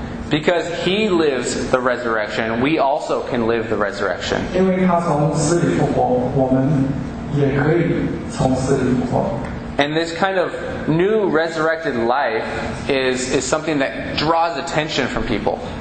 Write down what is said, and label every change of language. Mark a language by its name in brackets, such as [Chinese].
[English] Because he lives the resurrection, we also can live the resurrection. [Chinese] 因为他从死里复活，我们也可以从死里复活。 [English] And this kind of new resurrected life is something that draws attention from people.